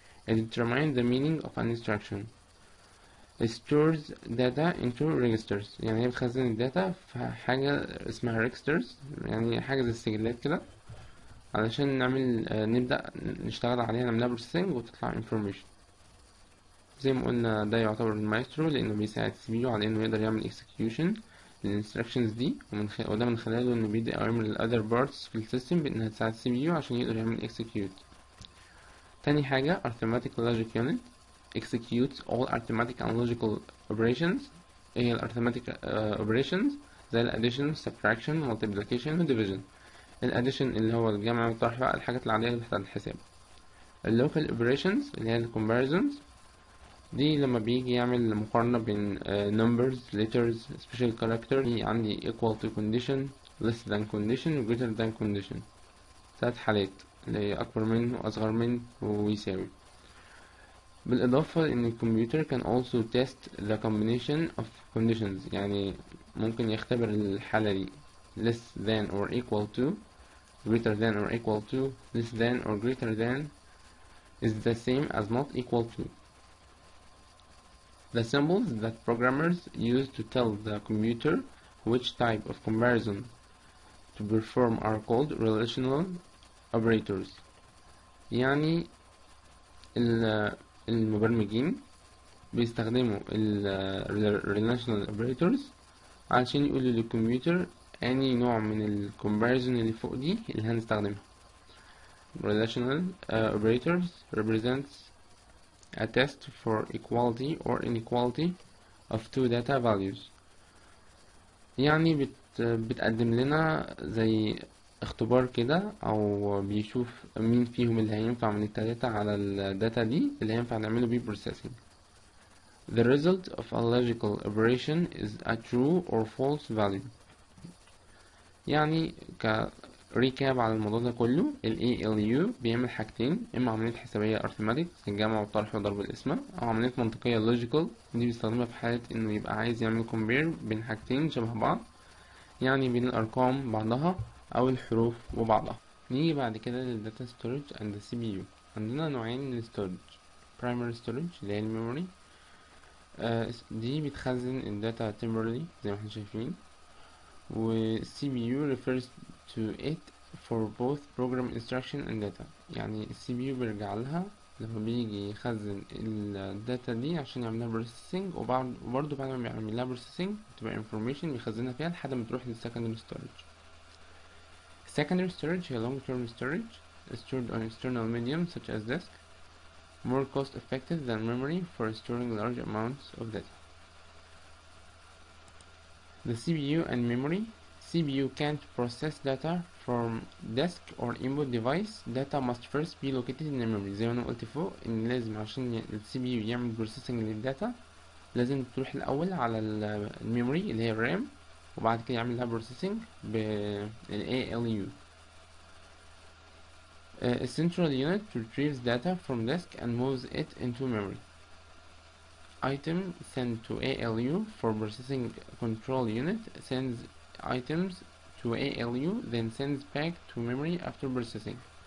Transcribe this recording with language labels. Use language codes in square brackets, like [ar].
[en] It determines the meaning of an instruction. It stores data into registers. [ar] يعني هي بتخزن الداتا في حاجة اسمها registers، يعني حاجة زي السجلات كده، علشان نعمل نبدأ نشتغل عليها، نعملها processing وتطلع information. زي ما قلنا ده يعتبر المايسترو لانه بيساعد السي على انه يقدر يعمل اكسكيوشن للانستراكشنز دي، وده من خلاله انه بيدي اوامر للاذر بارتس في السيستم بانها تساعد السي عشان يقدر يعمل اكسكيوت. تاني حاجة [en] arithmetic logic unit executes all arithmetic and logical operations. [ar] ايه هي arithmetic operations؟ زي addition, subtraction, multiplication و division. addition اللي هو الجمع والطرح بقى الحاجات العادية اللي بتحتاج الحساب. local operations اللي هي comparisons، دي لما بيجي يعمل مقارنة بين numbers, letters, special characters. دي عندي equal to condition, less than condition, greater than condition، ثلاث حالات اللي هي أكبر من وأصغر من ويساوي. بالإضافة إن الكمبيوتر [en] can also test the combination of conditions، [ar] يعني ممكن يختبر الحالة دي [en] less than or equal to, greater than or equal to, less than or greater than is the same as not equal to. The symbols that programmers use to tell the computer which type of comparison to perform are called relational operators. [ar] يعني المبرمجين بيستخدموا ال relational operators علشان يقولوا للكمبيوتر أي نوع من ال comparison اللي فوق دي اللي هنستخدمها. [en] Relational operators represents a test for equality or inequality of two data values. [ar] يعني بتقدم لنا زي اختبار كده، او بيشوف مين فيهم اللي هينفع من التلاتة على الداتا دي اللي هينفع نعمله بيه processing. [en] The result of a logical operation is a true or false value. [ar] يعني ك ريكاب على الموضوع ده كله، ال ALU بيعمل حاجتين، اما عمليات حسابية arithmetic الجمع والطرح وضرب القسمة، او عمليات منطقية logical دي بيستخدمها في حالة انه يبقى عايز يعمل compare بين حاجتين شبه بعض، يعني بين الارقام بعضها او الحروف وبعضها. نيجي بعد كده لل [en] data storage and the CPU. [ar] عندنا نوعين من storage، primary storage اللي هي الميموري، دي بتخزن ال data temporarily زي ما احنا شايفين، و [en] CPU refers to it for both program instruction and data. [ar] يعني CPU بيرجع لها لما بيجي يخزن الداتا دي عشان يعملها processing، وبرضه بعد ما بيعملها processing بتبقى information بيخزنها فيها لحد ما تروح للsecondary storage. [en] Secondary storage هي long term storage stored on external medium such as disk, more cost effective than memory for storing large amounts of data. The CPU and memory. CPU can't process data from disk or input device. Data must first be located in the memory. [ar] زي ما انا قلت فوق ان لازم عشان ال CPU يعمل processing للداتا لازم تروح الاول على ال memory اللي هي الرام، وبعد كده يعمل لها processing بال ALU. [en] A central unit retrieves data from disk and moves it into memory. Item sent to ALU for processing. Control unit sends items to ALU, then sends back to memory after processing.